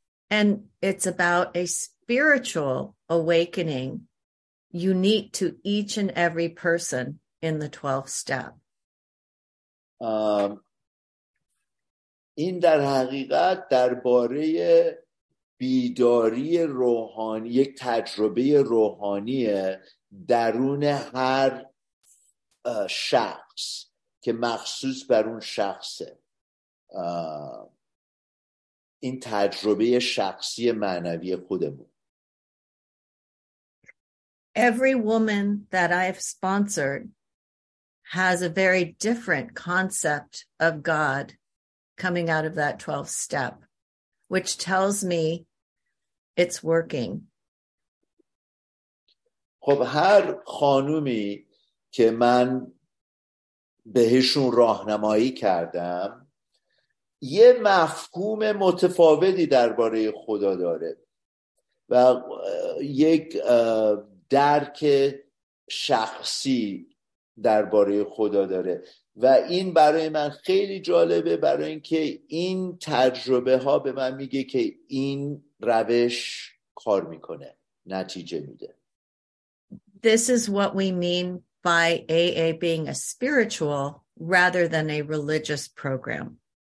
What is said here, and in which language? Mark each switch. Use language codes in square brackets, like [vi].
[en] And it's about a spiritual awakening unique to each and every person in the 12th step. [fa] این در حقیقت درباره بیداری روحانی، یک تجربه روحانی درون هر شخص که مخصوص بر اون شخصه. این تجربه شخصی معنوی خودمون. [en] Every woman that I have sponsored has a very different concept of God coming out of that 12th step, which tells me it's working. [fa] خب هر خانومی که من بهشون راهنمایی کردم یه مفهوم متفاوتی درباره خدا داره و یک درک شخصی درباره خدا داره و این برای من خیلی جالبه، برای اینکه این تجربه ها به من میگه که این روش کار میکنه، نتیجه میده. [en] This is what we mean by AA being a spiritual rather than a religious program.